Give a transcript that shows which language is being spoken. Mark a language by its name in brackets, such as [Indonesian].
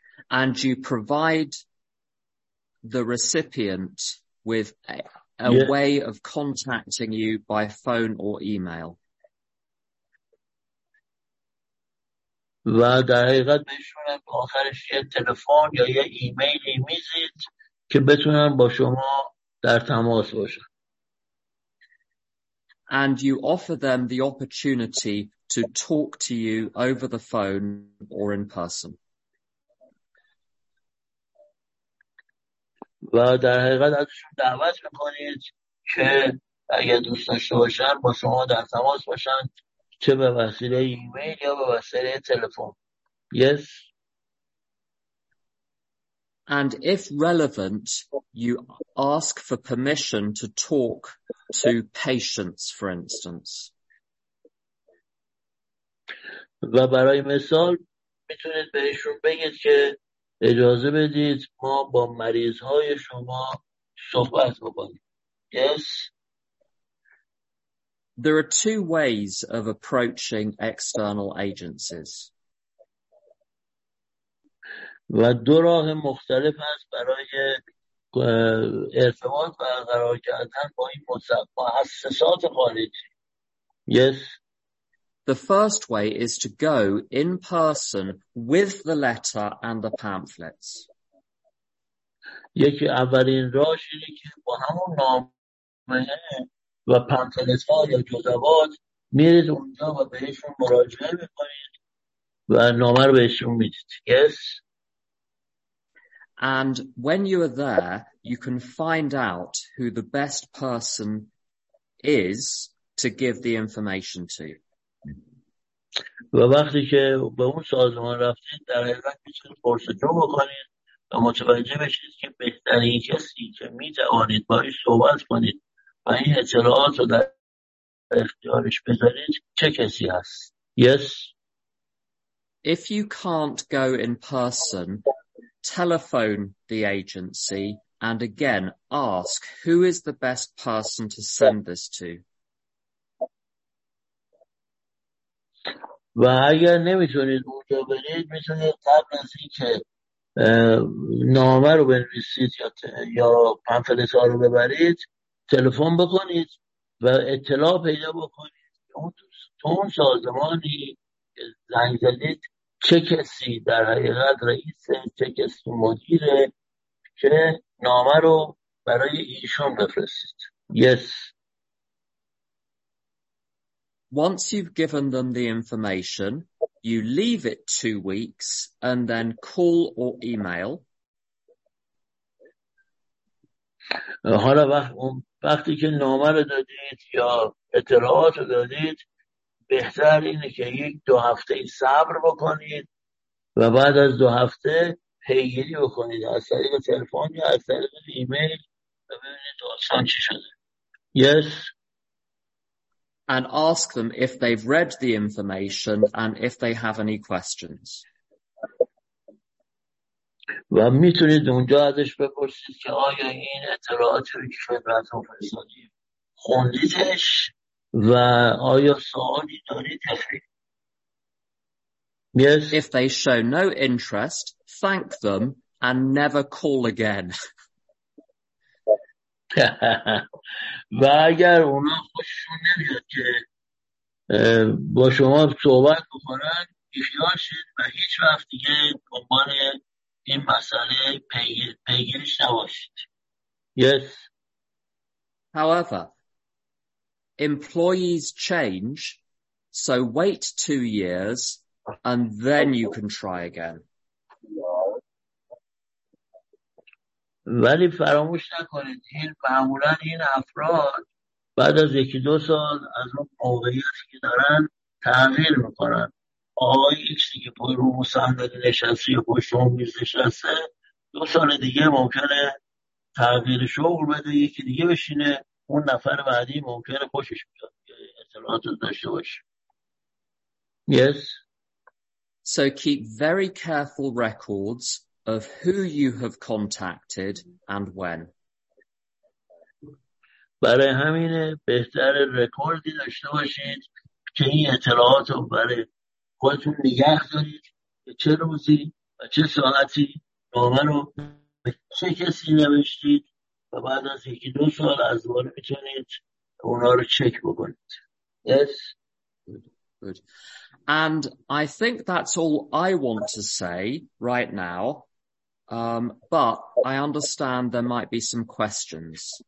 [English] And you provide the recipient with a way of contacting you by phone or email. [Persian] و در حقیقت بهشون آخرش یه تلفن یا یه ایمیلی میزید که بتونن با شما در تماس باشن. [English] And you offer them the opportunity to talk to you over the phone or in person. [Persian] و در حقیقت ازشون دعوت میکنید که اگه دوست داشته باشن با شما در تماس باشن، چه به وسیله ایمیل یا به وسیله تلفن. [English] Yes. And if relevant, you ask for permission to talk to patients, for instance. [Persian] و برای مثال میتونید بهشون بگید که اجازه بدید ما با مریض های شما صحبت بکنیم. [English] Yes. There are two ways of approaching external agencies. [Persian] و دو راه مختلف هست برای ارتباط برقرار کردن با این مؤسسات خارجی. [English] Yes. The first way is to go in person with the letter and the pamphlets. [Persian] یکی اولین راهش اینه که با همون نامه و پانفلت ها یا جزوات میرید اونجا و بهشون مراجعه میکنید و نامه رو بهشون میدید. [English] Yes. And when you are there, you can find out who the best person is to give the information to. [Persian] و وقتی که به اون سازمان رفتید در حقیقت میتونید پرسجو بکنید و متوجه بشید که بهترین کسی که میتوانید باهاش صحبت کنید و این اطلاعات رو در اختیارش بذارید چه کسی هست. [English] Yes. If you can't go in person, telephone the agency and again ask who is the best person to send this to. [Persian] و اگر نمیتونید اونجا برید میتونید قبل از اینکه نامه رو بنویسید یا پنفلت ها رو ببرید تلفن بکنید و اطلاع پیدا بکنید اون سازمانی زنگ زدید چه کسی در حقیقت رئیسه، چه کسی مدیره که نامه رو برای ایشون بفرستید. [English] Yes. Once you've given them the information, you leave it 2 weeks and then call or email. [Persian] حالا وقتی که نامه رو دادید یا اطلاعات رو دادید بهتر اینه که 1-2 هفته صبر بکنید و بعد از 2 هفته پیگیری بکنید از طریق تلفن یا از طریق ایمیل و ببینید داستان چی شده. [English] Yes. And ask them if they've read the information and if they have any questions. [Persian] و میتونید اونجا ازش بپرسید که آیا این اطلاعاتی که خدمتتون فرستادی خوندیدش و آیا سوالی دارید. [English] Yes. If they show no interest, thank them and never call again. [Persian] و اگر اونا خوششون نمیاد که با شما صحبت بکنن بیخیالشید و هیچ وقت دیگه دنبال این مسئله پیگیرش نباشید. [English] Yes. However, employees change, so wait 2 years and then you can try again. [Persian] ولی فراموش نکنید این معمولا این افراد بعد از 1-2 سال از اون موقعیتی که دارن تغییر میکنن. آقای ایکس دیگه پای رو صندلی نشسته یا پشت اون میز نشسته 2 سال دیگه ممکنه تغییر شغل بده، یکی دیگه بشینه، اون نفر بعدی ممکنه خوشش بیاد که اطلاعات داشته باشه. [English] Yes. So keep very careful records of who you have contacted and when. [Persian] برای همینه بهتر رکوردی داشته باشید که این اطلاعات رو برای خودتون نگه دارید به چه روزی و چه ساعتی نامه رو به چه کسی نوشتید و بعد از یکی دو سال از دوباره میتونید اونا رو چک بکنید. [English] Yes. Good. And I think that's all I want to say right now. But I understand there might be some questions.